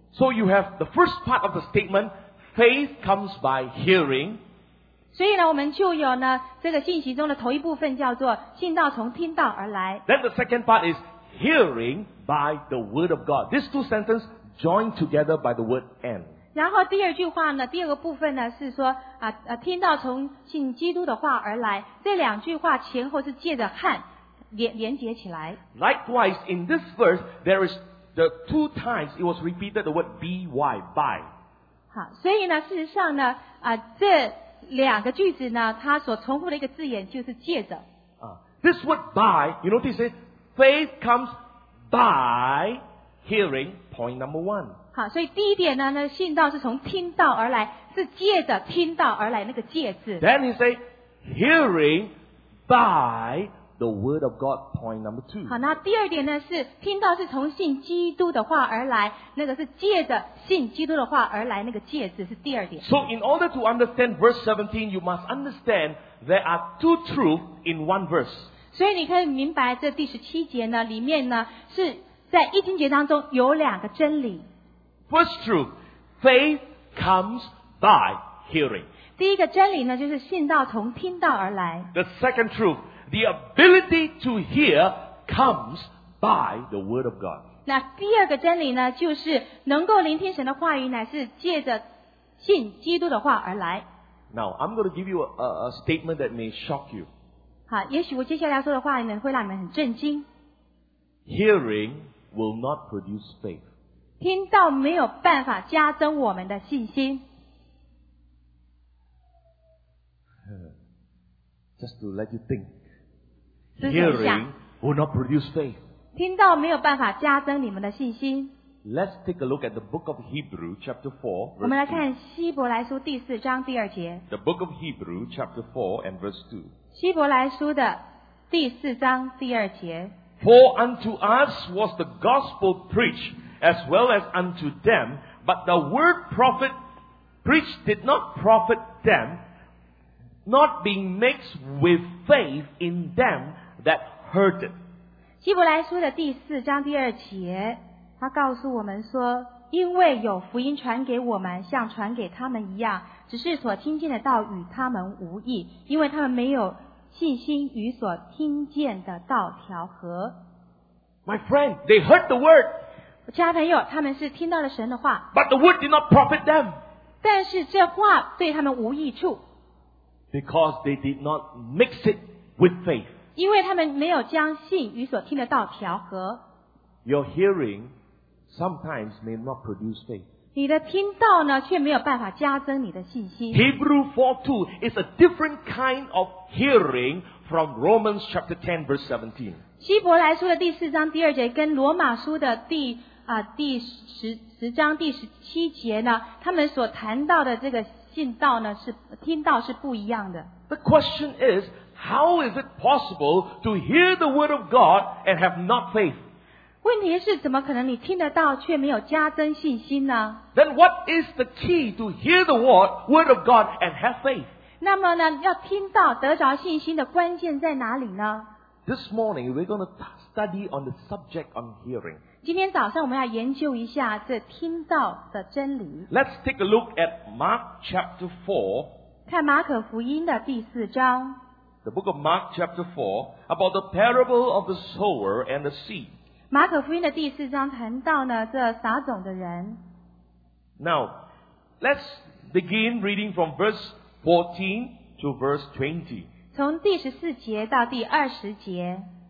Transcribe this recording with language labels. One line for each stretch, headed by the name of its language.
English: So you have the first part of the statement, faith comes by hearing.
Chinese: 所以呢，我们就有呢这个信息中的头一部分叫做信道从听道而来。
English: Then the second part is hearing by the word of God. These two sentences joined together by the word and.
Chinese: 然后第二句话呢，第二个部分呢是说听道从信基督的话而来。这两句话前后是借着和。连接起来。
English: Likewise, in this verse, there is the two times it was repeated the word by, by.
Chinese: 好，所以呢，事实上呢，这两个句子呢，它所重复的一个字眼就是借着。
English: This word by, you notice it, faith comes by hearing, point number one.
Chinese: 好，所以第一点呢，那信道是从听道而来，是借着听道而来那个借字。
English: Then he say, hearing by,The word of God, point number two.
Chinese: 好，那第二点呢是听到是从信基督的话而来，那个是借着信基督的话而来，那个借字是第二点。
English: So in order to understand verse 17, you must understand there are two truths in one verse.
Chinese: 所以你可以明白这第十七节呢，里面呢是在一经节当中有两个真理。
English: First truth, faith comes by hearing.
Chinese: 第一个真理呢，就是信道从听道而来。
English: The second truth, the ability to hear comes by the word of God.
Chinese: 那第二个真理呢，就是能够聆听神的话语，乃是借着信基督的话而来。
English: Now, I'm going to give you a statement that may shock you.
Chinese: 好，也许我接下来说的话呢，会让你们很震惊。
English: Hearing will not produce faith.
Chinese: 听到没有办法加增我们的信心。
English: Just to let you think. Hearing will not produce faith.
Chinese: 听到没有办法加增你们的信心。
English: Let's take a look at the book of Hebrews chapter 4.
Chinese: 我们来看希伯来书第四章第二节。
English: The book of Hebrews chapter 4 and verse 2.
Chinese: 希伯来书的第四章第二节。
English: For unto us was the gospel preached, as well as unto them, but the word prophet preached did not profit them, not being mixed with faith in them that heard it.
Chinese: 希伯来书的第四章第二节，他告诉我们说，因为有福音传给我们，像传给他们一样，只是所听见的道与他们无异，因为他们没有信心与所听见的道调和。
English: My friend, they heard the word.
Chinese: 我亲爱的朋友，他们是听到了神的话。
English: But the word did not profit them.
Chinese: 但是这话对他们无益处。
English: Because they did not mix it with faith.
Chinese: 因为他们没有将信与所听的道调和。
English: Your hearing sometimes may not produce faith.
Chinese: 你的听到呢，却没有办法加增你的信心。
English: Hebrews 4:2 is a different kind of hearing from Romans chapter 10 verse 17.
Chinese: 希伯来书的第四章第二节跟罗马书的第十章第十七节呢，他们所谈到的这个信道呢，是听道是不一样的。
English: The question is, how is it possible to hear the word of God and have not faith?
Chinese: 问题是怎么可能你听得到却没有加增信心呢？
English: Then what is the key to hear the word of God and have faith?
Chinese: 那么呢，要听到得着信心的关键在哪里呢？
English: This morning we're going to study on the subject on hearing.
Chinese: 今天早上我们要研究一下这听到的真理。
English: Let's take a look at Mark chapter 4.
Chinese: 看马可福音的第四章。
English: The book of Mark chapter 4 about the parable of the sower and the seed.
Chinese: 马可福音的第四章谈到呢，这撒种的人。
English: Now, let's begin reading from verse 14 to verse 20.
Chinese: 从第十四节到第二十节。